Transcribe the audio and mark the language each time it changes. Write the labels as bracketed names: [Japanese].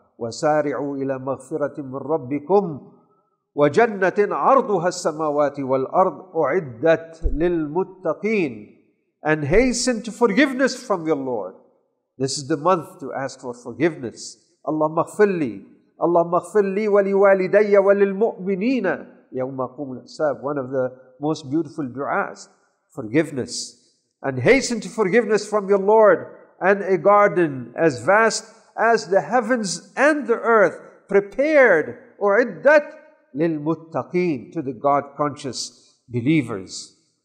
[Arabic] وَسَارِعُوا إِلَى مَغْفِرَةٍ مِّن رَّبِّكُمْ وَجَنَّةٍ عَرْضُهَا السَّمَاوَاتِ وَالْأَرْضُ أُعِدَّتْ لِلْمُتَّقِينَ. [English] And hasten to forgiveness from your Lord. This is the month to ask for forgiveness. [Arabic] اللهم اغفر لي. اللهم اغفر لي ولوالدي وللمؤمنين يوم أقوم الحساب. [English] One of the most beautiful du'as. Forgiveness. And hasten to forgiveness from your Lord and a garden as vast as the heavens and the earth, prepared, u'iddat lilmuttaqeen, to the God-conscious believers.